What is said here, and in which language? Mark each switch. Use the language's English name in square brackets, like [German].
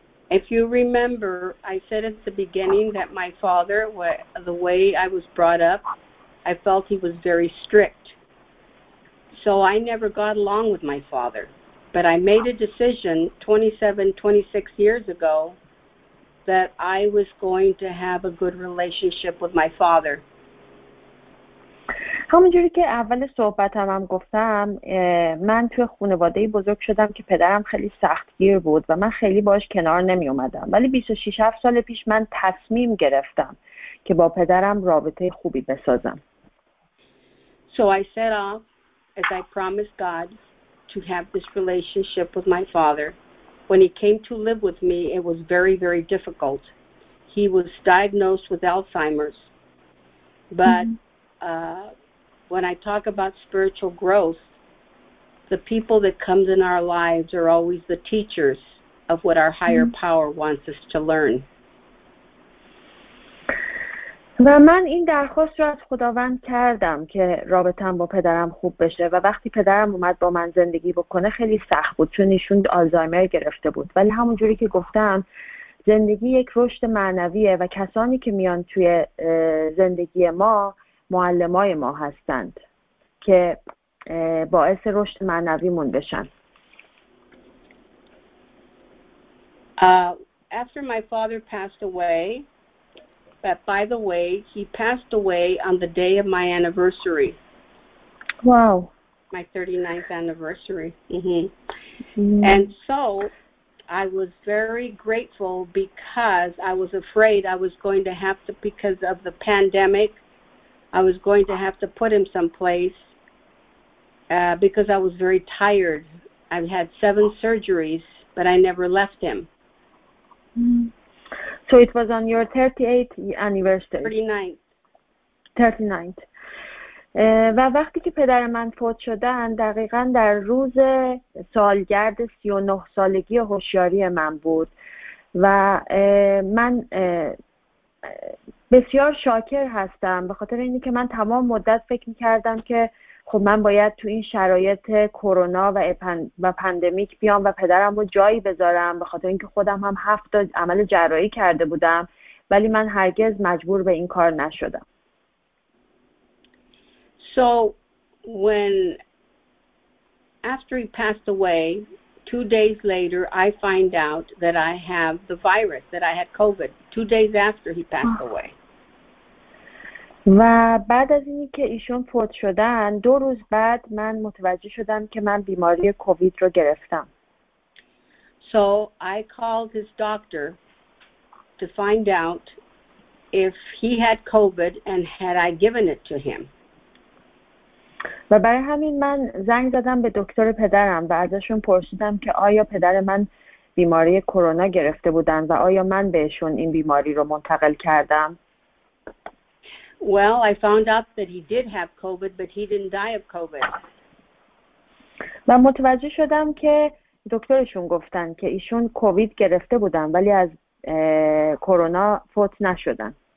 [English] If you remember, I said at the beginning that my father, the way I was brought up, I felt he was very strict. So I never got along with my father. But I made a decision 26 years ago that I was going to have a good relationship with my father. [Persian] همونجوری که اول صحبتم هم گفتم من توی خانواده‌ای بزرگ شدم که پدرم خیلی سختگیر بود و من خیلی باش کنار نمی اومدم، ولی 26 سال پیش من تصمیم گرفتم که با پدرم رابطه خوبی بسازم. [English] So I set off as I promised God to have this relationship with my father. When he came to live with me, it was very, very difficult. He was diagnosed with Alzheimer's. But when I talk about spiritual growth, the people that come in our lives are always the teachers of what our higher power wants us to learn. [Persian] و من این درخواست رو از خداوند کردم که رابطه‌ام با پدرم خوب بشه و وقتی پدرم اومد با من زندگی بکنه خیلی سخت بود چون ایشون آلزایمر گرفته بود، ولی همون جوری که گفتم زندگی یک رشد معنویه و کسانی که میان توی زندگی ما معلمای ما هستند که باعث رشد معنویمون بشن. [English] After my father passed away, but by the way, he passed away on the day of my anniversary. Wow. My 39th anniversary. And so I was very grateful because I was afraid I was going to have to, because of the pandemic, I was going to have to put him someplace because I was very tired. I've had 7 surgeries, but I never left him. So it was on your 38th anniversary. 39th. [Persian] و وقتی که پدر من فوت شدن دقیقا در روز سالگرد 39 سالگی هوشیاری من بود و من بسیار شاکر هستم به خاطر اینی که من تمام مدت فکر میکردم که خب من باید تو این شرایط کرونا و پندمیک بیام و پدرم رو جایی بذارم به خاطر اینکه خودم هم 7 عمل جراحی کرده بودم، ولی من هرگز مجبور به این کار نشدم. [English] So when after he passed away, 2 days later I find out that I have the virus, that I had COVID 2 days after he passed away. [Persian] و بعد از اینی که ایشون فوت شدن 2 روز بعد من متوجه شدم که من بیماری کووید رو گرفتم. [English] So I called his doctor to find out if he had COVID and had I given it to him. [Persian] و برای همین من زنگ زدم به دکتر پدرم و ازشون پرسیدم که آیا پدر من بیماری کرونا گرفته بودن و آیا من بهشون این بیماری رو منتقل کردم. [English] Well, I found out that he did have COVID, but he didn't die of COVID. [Persian] من متوجه شدم که دکترشون گفتن که ایشون کووید گرفته بودن ولی از کرونا فوت نشدن.